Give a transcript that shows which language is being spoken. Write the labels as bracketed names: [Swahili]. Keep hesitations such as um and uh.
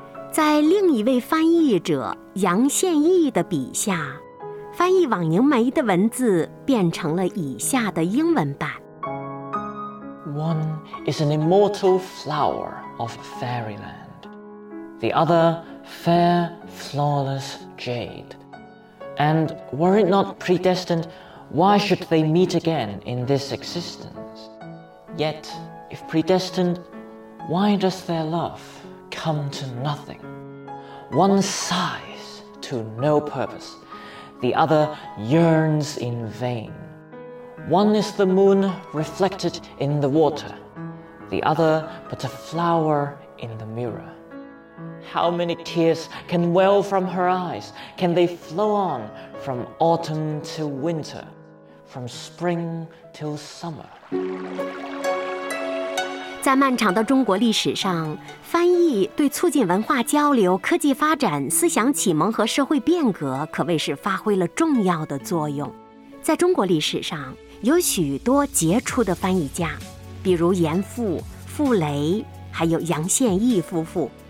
[Chinese] 在另一位翻译者杨宪益的笔下，翻译枉凝眉的文字变成了以下的英文版： [English] One is an immortal flower of fairyland, the other fair, flawless jade. And were it not predestined, why should they meet again in this existence? Yet, if predestined, why does their love? come to nothing. One sighs to no purpose, the other yearns in vain. One is the moon reflected in the water, the other but a flower in the mirror. How many tears can well from her eyes? Can they flow on from autumn to winter, from spring till summer? [Chinese] 在漫长的中国历史上，翻 对促进文化交流、科技发展、思想启蒙和社会变革，可谓是发挥了重要的作用。在中国历史上，有许多杰出的翻译家，比如严复、傅雷，还有杨宪益夫妇。